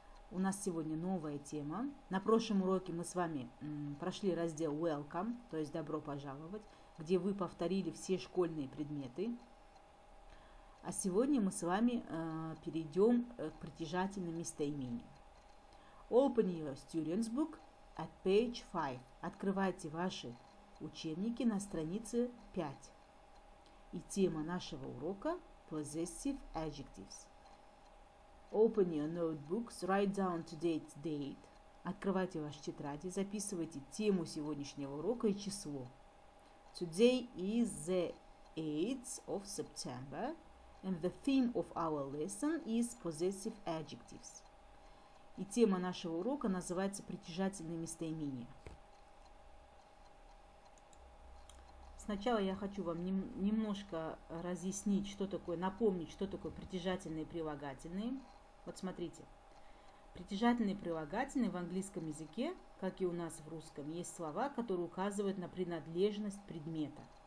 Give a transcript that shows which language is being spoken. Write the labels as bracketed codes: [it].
[ru] У нас сегодня новая тема. На прошлом уроке мы с вами прошли раздел Welcome, то есть добро пожаловать, где вы повторили все школьные предметы. А сегодня мы с вами перейдем к притяжательным местоимениям. [en] Open your students book at page 5. [ru] Открывайте ваши учебники на странице 5. И тема нашего урока – [en] Possessive Adjectives. Open your notebooks, write down today's date. [ru] Открывайте ваши тетради, записывайте тему сегодняшнего урока и число. [en] Today is the 8th of September, and the theme of our lesson is Possessive Adjectives. [ru] И тема нашего урока называется «Притяжательные местоимения». Сначала я хочу вам немножко разъяснить, что такое, напомнить, что такое притяжательные прилагательные. Вот смотрите. Притяжательные прилагательные в английском языке, как и у нас в русском, есть слова, которые указывают на принадлежность предмета.